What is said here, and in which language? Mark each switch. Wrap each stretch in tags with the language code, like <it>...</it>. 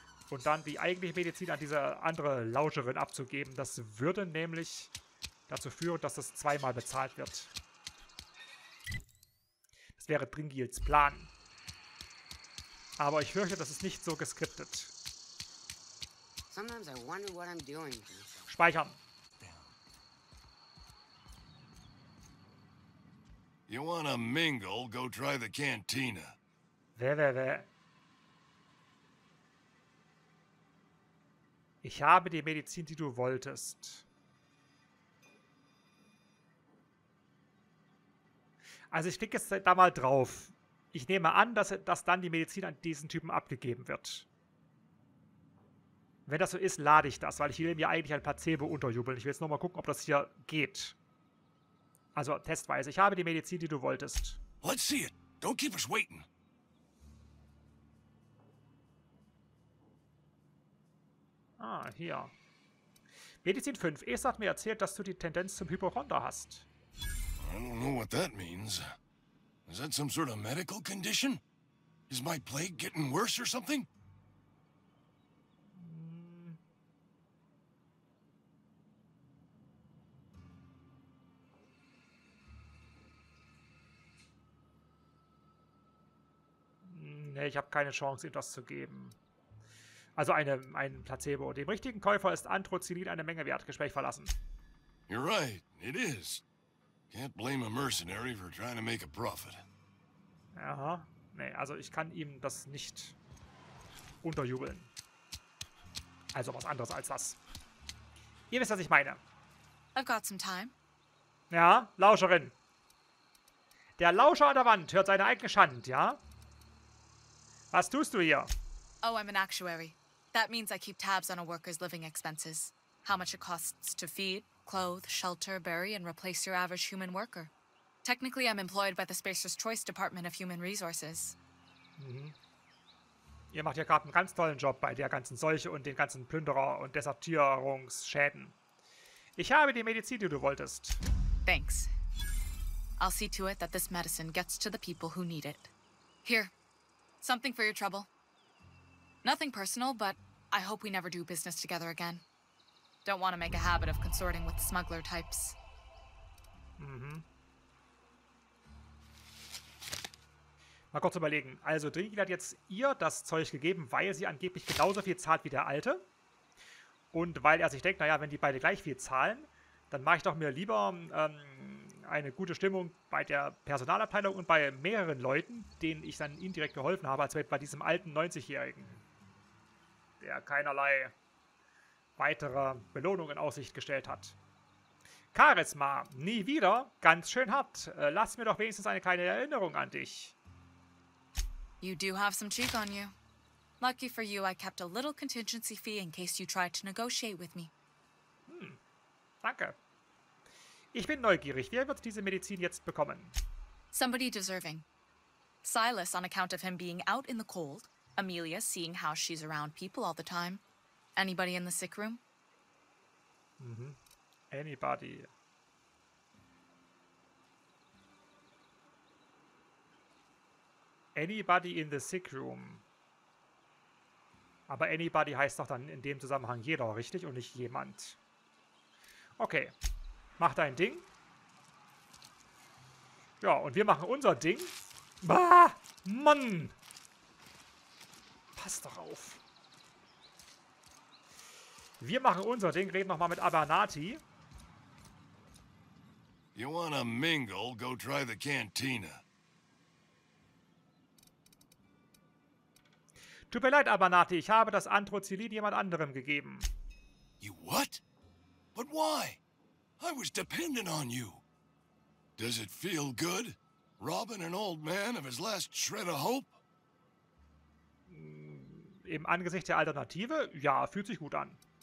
<de>Und dann die eigentliche Medizin an diese andere Lauscherin abzugeben. Das würde nämlich dazu führen, dass das zweimal bezahlt wird. Das wäre Dringils Plan. Aber ich fürchte, das ist nicht so geskriptet.</de> <en>Sometimes I wonder what I'm doing.</en> <de>Speichern.</de> <en>You wanna mingle? Go try the cantina.</en> <de>Ich habe die Medizin, die du wolltest. Also ich klicke jetzt da mal drauf. Ich nehme an, dass dann die Medizin an diesen Typen abgegeben wird. Wenn das so ist, lade ich das, weil ich will mir eigentlich ein Placebo unterjubeln. Ich will jetzt nochmal gucken, ob das hier geht. Also, testweise. Ich habe die Medizin, die du wolltest.</de> <en>Let's see it. Don't keep us waiting.</en> <de>Ah, hier. Medizin 5, Esa hat mir erzählt, dass du die Tendenz zum Hypochonder hast.</de> <en>I don't know what that means. Is that some sort of medical condition? Is my plague getting worse or something?</en> <de>Nee, ich habe keine Chance, ihm das zu geben. Also ein Placebo. Dem richtigen Käufer ist Androzinin eine Menge wert. Gespräch verlassen.</de> <en>You're right. It is. Can't blame a mercenary for trying to make a profit. Aha.</en> <de>Nee, also ich kann ihm das nicht unterjubeln. Also was anderes als das. Ihr wisst, was ich meine.</de> <en>I've got some time.</en> <de>Ja, Lauscherin. Der Lauscher an der Wand hört seine eigene Schand, ja? Was tust du hier?</de> <en>Oh, I'm an actuary. That means I keep tabs on a worker's living expenses. How much it costs to feed, clothe, shelter, bury, and replace your average human worker. Technically, I'm employed by the Spacer's Choice Department of Human Resources. Mhm.</en> <de>Ihr macht ja gerade einen ganz tollen Job bei der ganzen Seuche und den ganzen Plünderer- und Desertierungsschäden. Ich habe die Medizin, die du wolltest.</de> <en>Thanks. I'll see to it that this medicine gets to the people who need it. Here. Something for your trouble. Nothing personal, but I hope we never do business together again. Don't want to make a habit of consorting with smuggler types. Mhm.</en> <de>Mal kurz überlegen. Also Drigil hat jetzt ihr das Zeug gegeben, weil sie angeblich genauso viel zahlt wie der Alte. Und weil er sich denkt, naja, wenn die beide gleich viel zahlen, dann mache ich doch mir lieber eine gute Stimmung bei der Personalabteilung und bei mehreren Leuten, denen ich dann indirekt geholfen habe, als bei diesem alten 90-Jährigen, der keinerlei weitere Belohnung in Aussicht gestellt hat. Charisma, nie wieder, ganz schön hart. Lass mir doch wenigstens eine kleine Erinnerung an dich.</de> <en>You do have some cheek on you. Lucky for you, I kept a little contingency fee in case you tried to negotiate with me.</en> <de>Hm, danke. Ich bin neugierig. Wer wird diese Medizin jetzt bekommen?</de> <en>Somebody deserving. Silas, on account of him being out in the cold. Amelia, seeing how she's around people all the time. Anybody in the sick room? Mhm. Anybody. Anybody in the sick room.</en> <de>Aber anybody heißt doch dann in dem Zusammenhang jeder, richtig? Und nicht jemand. Okay. Mach dein Ding. Ja, und wir machen unser Ding. Bah! Mann! Pass doch auf. Wir machen unser Ding. Reden nochmal mit Abernathy.</de> <en>You wanna mingle? Go try the Cantina.</en> <de>Tut mir leid, Abernathy. Ich habe das Androzilin jemand anderem gegeben.</de> <en>You what? But why? I was dependent on you. Does it feel good, robbing an old man of his last shred of hope?</en> <de>Im Angesicht der Alternative, ja, fühlt sich gut an.</de>